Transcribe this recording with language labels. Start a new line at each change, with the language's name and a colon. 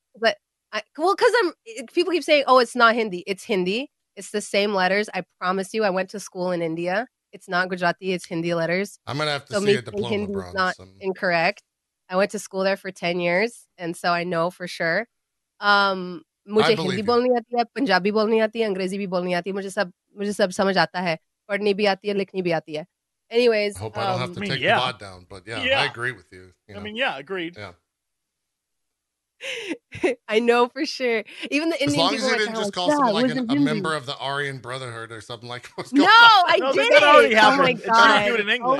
English: But people keep saying, oh, it's not Hindi. It's Hindi. It's the same letters. I promise you. I went to school in India. It's not Gujarati. It's Hindi letters. I'm gonna have to see a diploma. Hindi is not incorrect. I went to school there for 10 years, and so I know for sure.
Hindi: मुझे हिंदी बोलनी आती है, पंजाबी बोलनी आती है, अंग्रेज़ी भी बोलनी आती है. मुझे सब समझ आता है. पढ़नी भी आती है, लिखनी भी आती है.
English: Anyways, I hope I don't have to take the pod down, but yeah, I agree with you. I mean, yeah, agreed. Yeah. I know for sure. Even the Indian people, as long as you didn't just call someone like a member of the Aryan Brotherhood or something like what's going on. No, I didn't. That already happened. Oh my God. It's trying to do it in English.